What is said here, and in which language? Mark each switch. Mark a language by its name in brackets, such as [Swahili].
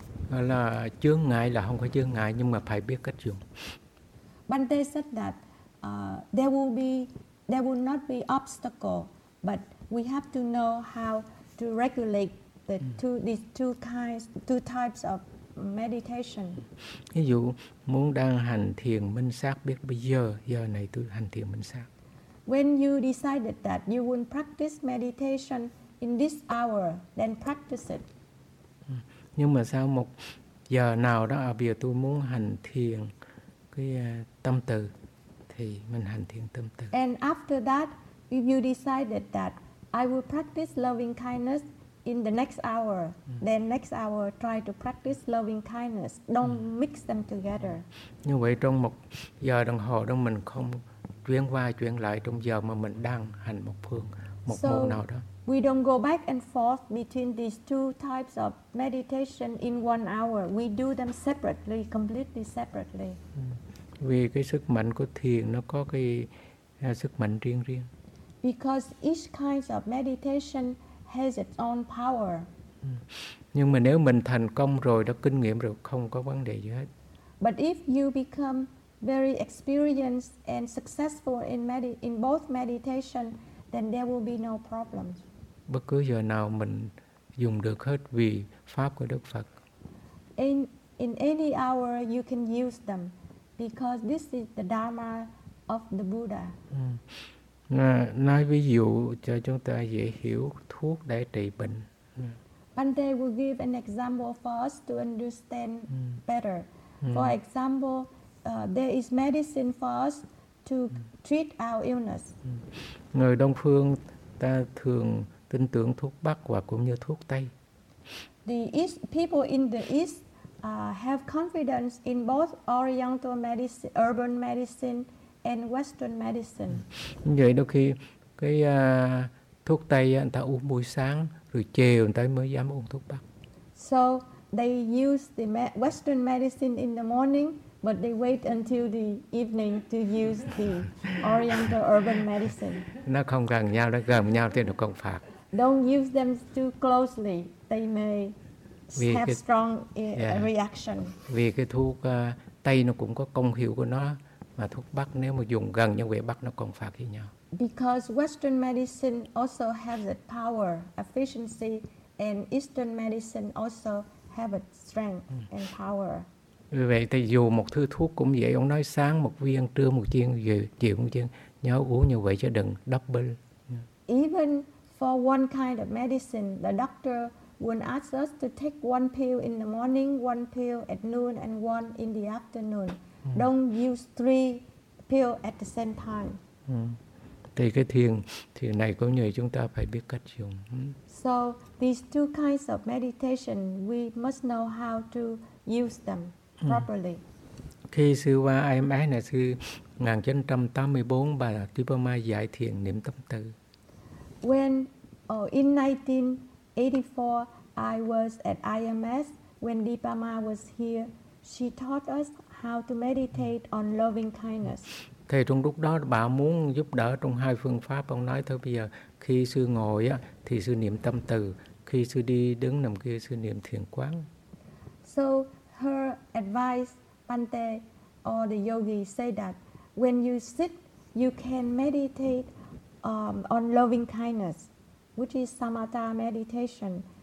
[Vietnamese] Là chướng ngại là không phải chướng ngại nhưng mà phải biết cách dùng. [English] Bhante said that there will not be obstacle, but we have to know how to regulate the two types of meditation. [Vietnamese] Ví dụ muốn đang hành thiền minh sát biết bây giờ này tôi hành thiền minh sát. [English] When you decided that you will practice meditation in this hour, then practice it. [Vietnamese] Nhưng mà sau một giờ nào đó, bây giờ tôi muốn hành thiền cái tâm từ, thì mình hành thiền tâm từ. [English] And after that, if you decided that I will practice loving kindness in the next hour, then next hour try to practice loving kindness. Don't mix them together. [Vietnamese] Như vậy trong một giờ đồng hồ đó mình không chuyển qua chuyển lại trong giờ mà mình đang hành một phương, một [English] so, [Vietnamese] môn nào đó. [English] We don't go back and forth between these two types of meditation in 1 hour. We do them separately, completely separately. [Vietnamese] Vì cái sức mạnh của thiền nó có cái sức mạnh riêng riêng. [English] Because each kind of meditation has its own power. [Vietnamese] Nhưng mà nếu mình thành công rồi, đã kinh nghiệm rồi, không có vấn đề gì hết. [English] But if you become very experienced and successful in both meditation, then there will be no problems. [Vietnamese] Bất cứ giờ nào mình dùng được hết vì pháp của Đức Phật. [English] In any hour you can use them because this is the Dharma of the Buddha. [Vietnamese] Nói ví dụ cho chúng ta dễ hiểu thuốc để trị bệnh. [English] Bhante will give an example for us to understand better. For example, there is medicine for us to treat our illness. [Vietnamese] Người Đông phương ta thường tin tưởng thuốc Bắc và cũng như thuốc Tây. [English] The East, people in the East have confidence in both Oriental medicine, urban medicine and Western medicine. [Vietnamese] Vậy đôi khi cái thuốc Tây người ta uống buổi sáng rồi chiều người ta mới dám uống thuốc Bắc. [English] So they use the Western medicine in the morning, but they wait until the evening to use the Oriental urban medicine. [Vietnamese] Nó không gần nhau, nó gần nhau thì nó công phạt. [English] Don't use them too closely. They may reaction. [Vietnamese] Vì cái thuốc Tây nó cũng có công hiệu của nó, mà thuốc Bắc nếu mà dùng gần như vậy, Bắc nó công phạt với nhau. [English] Because Western medicine also has its power, efficiency, and Eastern medicine also have its strength and power. [Vietnamese] Vì vậy thì dù một thứ thuốc cũng vậy, ông nói sáng một viên, trưa một viên, chiều một viên, nhớ uống như vậy chứ đừng double. [English] Even for one kind of medicine, the doctor will ask us to take one pill in the morning, one pill at noon, and one in the afternoon. Don't use three pills at the same time. [Vietnamese] Thì cái thiền này cũng như chúng ta phải biết cách dùng. [English] So these two kinds of meditation, we must know how to use them properly. [Vietnamese] Khi sư qua IMS này, sư 1984 bà Khippapanno dạy thiền niệm tâm từ. [English] In 1984, I was at IMS when Dipama was here. She taught us how to meditate on loving kindness. [Vietnamese] Thì trong lúc đó bà muốn giúp đỡ trong hai phương pháp. Ông nói thôi bây giờ khi sư ngồi á thì sư niệm tâm từ, khi sư đi đứng nằm kia sư niệm thiền quán. [English] So her advice, Bhante or the yogi say that when you sit, you can meditate on loving kindness, which is samatha meditation.